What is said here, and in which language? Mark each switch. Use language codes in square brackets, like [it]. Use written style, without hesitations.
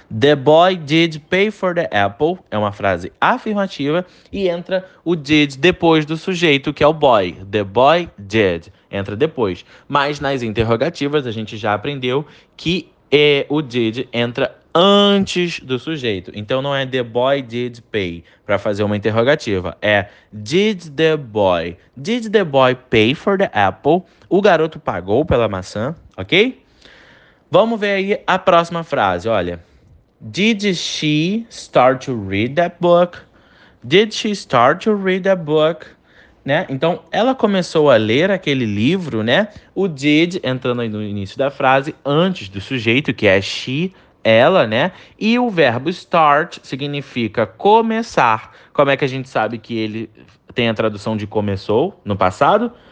[en] The boy did pay for the apple [pt] é uma frase afirmativa e entra o did depois do sujeito, que é o boy. [en] The boy did [pt] entra depois. Mas nas interrogativas a gente já aprendeu que é o did entra antes do sujeito. Então não é [en] the boy did pay [pt] para fazer uma interrogativa. [en] É did the boy pay for the apple? [pt] O garoto pagou pela maçã, ok? Vamos ver aí a próxima frase. [en] Olha, did she start to read that book? Did she start to read that book? Né? [pt] Então, ela começou a ler aquele livro, né? O did entrando aí no início da frase antes do sujeito, que é she. Ela, né? E o verbo start significa começar. Como é que a gente sabe que ele tem a tradução de começou no passado?